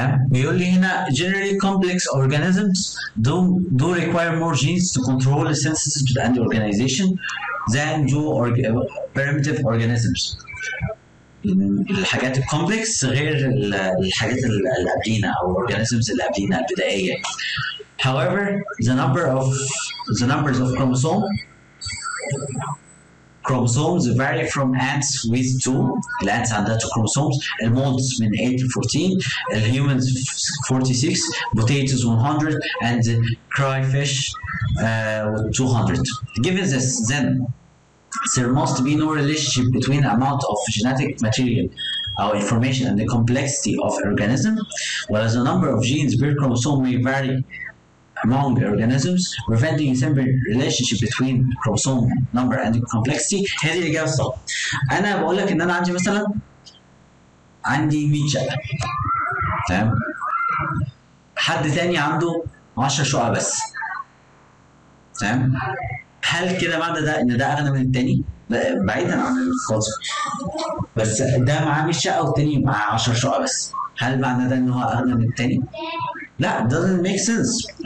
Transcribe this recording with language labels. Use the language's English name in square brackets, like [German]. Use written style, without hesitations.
[Arabic] بيقول لي هنا [English] generally complex organisms do require more genes to control the synthesis and organization than do primitive organisms. [Arabic] الحاجات الكومبلكس غير الحاجات اللي قبلينا او organisms اللي قبلينا البدائية. [English] However the numbers of chromosomes vary from ants with 2. [Arabic] الانتس عندها 2 chromosomes. المولدز من 8 to 14. الهيومنز 46. بوتيتوز 100. [English] and crayfish 200. Given this then there must be no relationship between amount of genetic material or information and the complexity of organism. Well, as the number of genes per chromosome may vary among organisms, preventing a simple relationship between chromosome number and complexity. [Arabic] هذه الإجابة صح. أنا بقول لك إن أنا عندي مثلا عندي 100 شقة. تمام. حد ثاني عنده 10 شقق بس. تمام. هل كده معنى ده ان ده اغنى من التاني؟ بعيدا عن الخاص، بس ده معاه 100 شقه والتاني معاه 10 شقق بس، هل معنى ده ان هو اغنى من التاني؟ لا، [English] doesn't make sense.